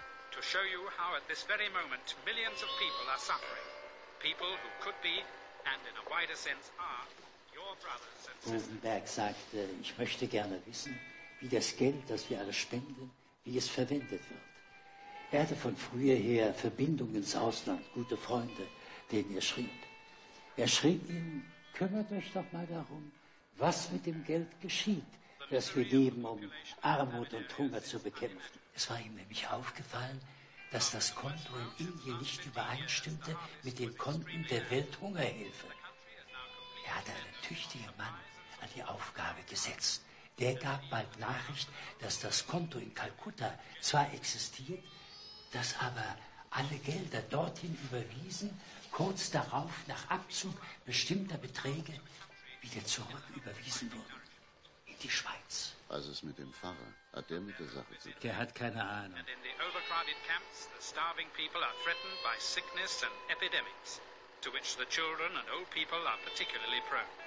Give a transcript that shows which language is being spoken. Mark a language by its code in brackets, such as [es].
[en] To show you how at this very moment millions of people are suffering. People who could be, and in a wider sense are, your brothers and sisters. [de] Bovenberg sagte, ich möchte gerne wissen, wie das Geld, das wir alle spenden, wie es verwendet wird. Er hatte von früher her Verbindungen ins Ausland, gute Freunde, denen er schrieb. Er schrieb ihnen, kümmert euch doch mal darum, was mit dem Geld geschieht, das wir geben, um Armut und Hunger zu bekämpfen. Es war ihm nämlich aufgefallen, dass das Konto in Indien nicht übereinstimmte mit den Konten der Welthungerhilfe. Er hatte einen tüchtigen Mann an die Aufgabe gesetzt. Der gab bald Nachricht, dass das Konto in Kalkutta zwar existiert, dass aber alle Gelder dorthin überwiesen, kurz darauf nach Abzug bestimmter Beträge wieder zurück überwiesen wurden. In die Schweiz. Also ist mit dem Pfarrer? Hat der mit der Sache zu tun? Der hat keine Ahnung. Und [en] in den overcrowded camps, the starving people are threatened by sickness and epidemics, to which the children and old people are particularly prone.